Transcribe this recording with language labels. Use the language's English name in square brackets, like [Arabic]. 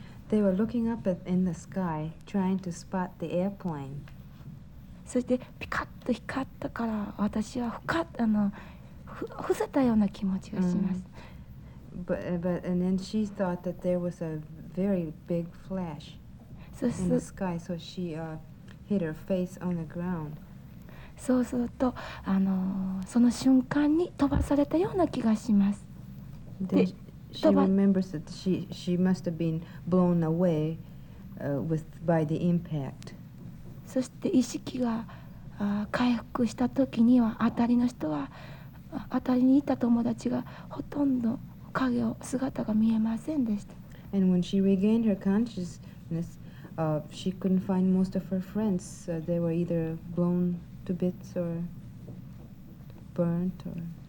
[English] They were looking up in the sky, trying to spot the airplane. [Japanese] そしてピカッと光ったから私はふかっあのふ伏せたような気持ちがします。 [English] But and then she thought that there was a very big flash in the sky, so she hit her face on the ground. [Japanese] そうするとあのその瞬間に飛ばされたような気がします。で。 [English] She remembers that she must have been blown away by the impact. [Japanese] そして意識が回復した時には当たりの人は当たりにいた友達がほとんど影を姿が見えませんでした。 [English] And when she regained her consciousness, she couldn't find most of her friends. They were either blown to bits or burnt or.